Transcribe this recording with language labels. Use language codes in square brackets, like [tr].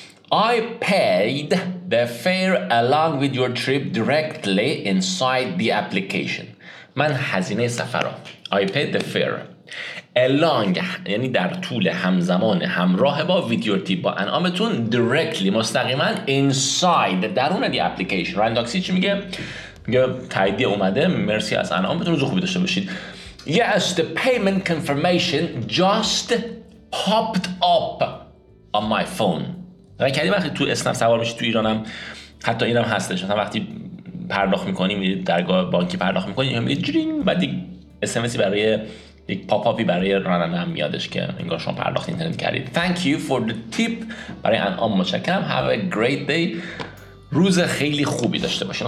[en] I paid the fare along with your trip directly inside the application. [fa] من هزینه سفر رو، [en] I paid the fare along، [fa] یعنی در طول، همزمان، همراه با ویدیو تیپ، با انعامتون، directly، مستقیما، inside، درون دی اپلیکیشن. راننده تاکسی چی میگه؟ میگه تاییدی اومده، مرسی از انعامتون، روز خوبی داشته باشید. [en] Yes, the payment confirmation just popped up on my phone. [fa] رکدی وقتی تو اسنپ سوار میشی تو ایرانم، حتی اینم هستش، مثلا وقتی پرداخت میکنی، میرید درگاه بانکی پرداخت میکنی، یا میرید جرینگ، بعد یک اسمسی برای، یک پاپ آپی برای راننده هم میادش که انگار شما پرداخت اینترنت کردید. [en] Thank you for the tip، [fa] برای انعام متشکرم. [en] Have a great day، [fa] روز خیلی خوبی داشته باشین.